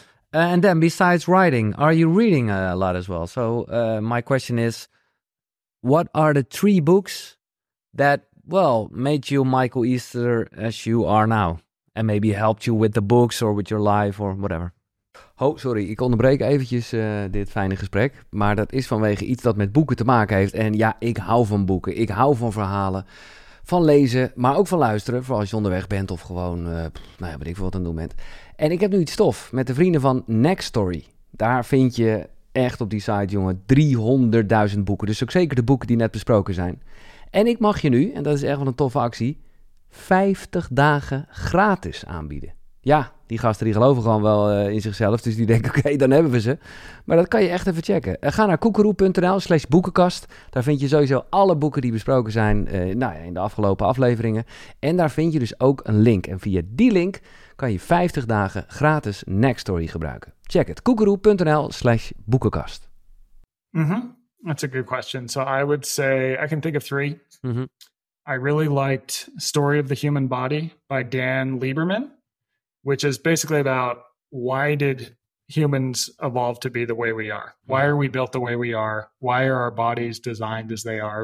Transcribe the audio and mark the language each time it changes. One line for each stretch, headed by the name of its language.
English: And then besides writing, are you reading a lot as well? So my question is, what are the three books that, well, made you Michael Easter as you are now?
Dutch: En
English: maybe helped you with the books or with your life or whatever.
Dutch: Oh, sorry, ik onderbreek eventjes dit fijne gesprek. Maar dat is vanwege iets dat met boeken te maken heeft. En ja, ik hou van boeken. Ik hou van verhalen, van lezen, maar ook van luisteren. Vooral als je onderweg bent of gewoon, weet ik veel wat aan het doen bent. En ik heb nu iets tof met de vrienden van Next Story. Daar vind je echt op die site, jongen, 300.000 boeken. Dus ook zeker de boeken die net besproken zijn. En ik mag je nu, en dat is echt wel een toffe actie, 50 dagen gratis aanbieden. Ja, die gasten die geloven gewoon wel in zichzelf. Dus die denken, oké, dan hebben we ze. Maar dat kan je echt even checken. Ga naar koekeroe.nl/boekenkast. Daar vind je sowieso alle boeken die besproken zijn in de afgelopen afleveringen. En daar vind je dus ook een link. En via die link kan je 50 dagen gratis Next Story gebruiken. Check het, koekeroe.nl/boekenkast.
English: Mm-hmm. That's a good question. So I would say, I can think of three. Mm-hmm. I really liked Story of the Human Body by Dan Lieberman, which is basically about why did humans evolve to be the way we are? Why are we built the way we are? Why are our bodies designed as they are?